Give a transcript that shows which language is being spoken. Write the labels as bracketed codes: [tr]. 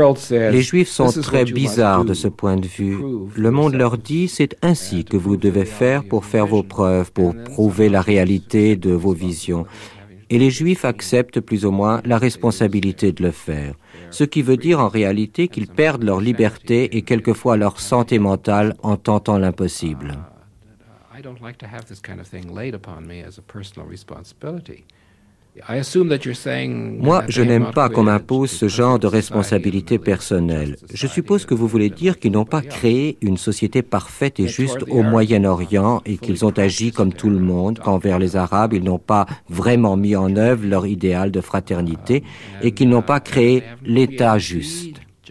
[fr] Les Juifs sont très bizarres de ce point de vue. Le monde leur dit, c'est ainsi que vous devez faire pour faire vos preuves, pour prouver la réalité de vos visions. Et les Juifs acceptent plus ou moins la responsabilité de le faire. Ce qui veut dire en réalité qu'ils perdent leur liberté et quelquefois leur santé mentale en tentant l'impossible. [en] I don't like to have this kind of thing laid upon me as a personal responsibility. I assume that you're saying. [fr] Moi, je n'aime pas qu'on m'impose ce genre de responsabilité personnelle. Je suppose que vous voulez dire qu'ils n'ont pas créé une société parfaite et juste au Moyen-Orient et qu'ils ont agi comme tout le monde, qu'envers les Arabes, ils n'ont pas vraiment mis en œuvre leur idéal de fraternité et qu'ils n'ont pas créé l'État juste.